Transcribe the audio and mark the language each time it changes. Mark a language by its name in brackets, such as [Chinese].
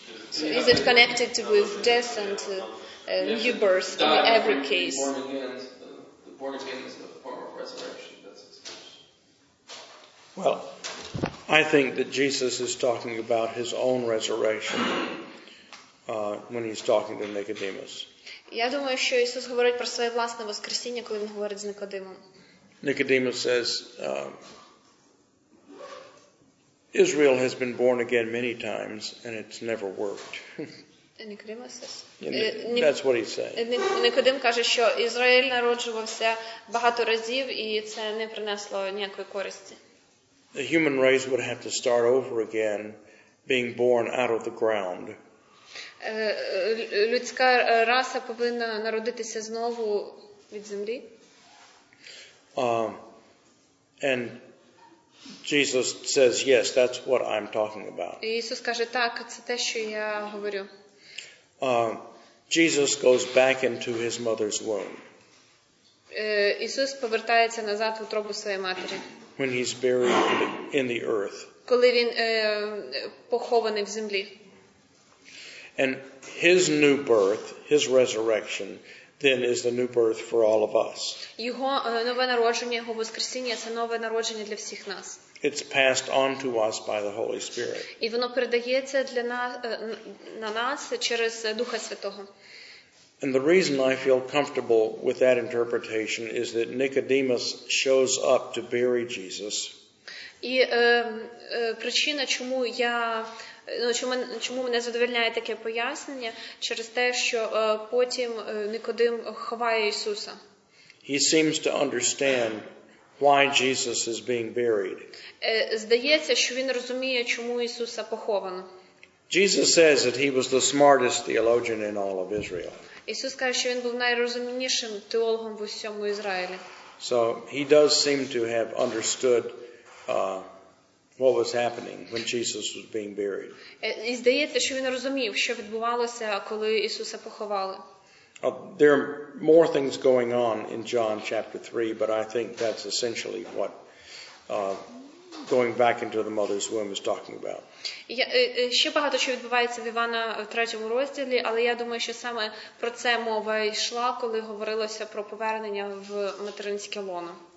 [English] So is it connected with death and new birth in every case? Born again, the born again is a form of resurrection. Well, I think that Jesus is talking about his own resurrection when he's talking to Nicodemus. [Ukrainian] Я думаю, що Ісус говорить про своє власне воскресіння, коли він говорить з Никодимом. [English] Nicodemus says, Israel has been born again many times and it's never worked. Nicodemus says. That's what he says. [Ukrainian] Никодим каже, що Ізраїль народжувався багато разів і це не принесло ніякої користі. [English] The human race would have to start over again, being born out of the ground. [Ukrainian] Людська раса повинна народитися знову від землі. [English] And Jesus says, yes, that's what I'm talking about. [Ukrainian] Ісус каже, так, це те, що я говорю. [English] Jesus goes back into his mother's womb. [Ukrainian] Ісус повертається назад в утробу своєї матері. [English] When he's buried in the earth. [Ukrainian] Коли він похований в землі. [English] And his new birth, his resurrection, then is the new birth for all of us. [Ukrainian] Його нове народження, його воскресіння – це нове народження для всіх нас. [English] It's passed on to us by the Holy Spirit. [Ukrainian] І воно передається для нас, на нас через Духа Святого. [English] And the reason I feel comfortable with that interpretation is that Nicodemus shows up to bury Jesus. [Ukrainian] І причина, чому я Ну, чому мене задовольняє таке пояснення? Через те, що потім Никодим ховає Ісуса. [English] He seems to understand why Jesus is being buried. [Ukrainian] Здається, що він розуміє, чому Ісуса поховано. [English] Jesus says that he was the smartest theologian in all of Israel. [Ukrainian] Ісус каже, що він був найрозумнішим теологом в усьому Ізраїлі. [English] So he does seem to have understood what was happening when Jesus was being buried. [Ukrainian] І здається, що він розумів, що відбувалося, коли Ісуса поховали. [English] There are more things going on in John chapter 3, but I think that's essentially what going back into the mother's womb is talking about. [Ukrainian] Ще багато що відбувається в Івана в 3 розділі, але я думаю, що саме про це мова йшла, коли говорилося про повернення в материнське лоно.